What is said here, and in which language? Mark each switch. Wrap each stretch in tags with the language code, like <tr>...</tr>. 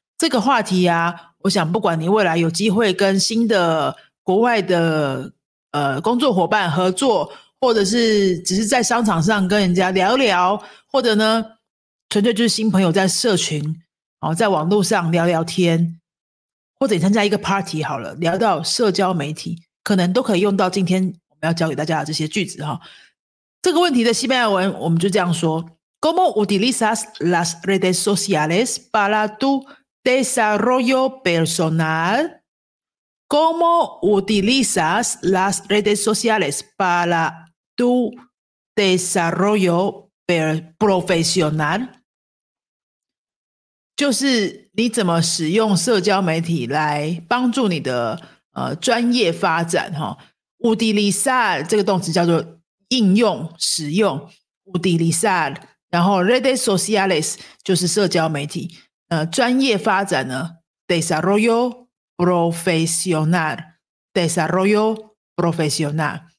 <zh>这个话题啊，我想不管你未来有机会跟新的国外的工作伙伴合作，或者是只是在商场上跟人家聊聊，或者呢纯粹就是新朋友在社群在网络上聊聊天，或者你参加一个 party 好了，聊到社交媒体可能都可以用到今天我们要教给大家的这些句子。这个问题的西班牙文我们就这样说，</zh> <es>¿Cómo utilizas las redes sociales para tu desarrollo personal? ¿Cómo utilizas las redes sociales para tu desarrollo profesional?</es> <zh>就是你怎么使用社交媒体来帮助你的专业发展哈。 Utilizar 这个动词叫做应用、使用。Utilizar。然后 redes sociales 就是社交媒体，专业发展呢 desarrollo profesional， desarrollo profesional。</zh>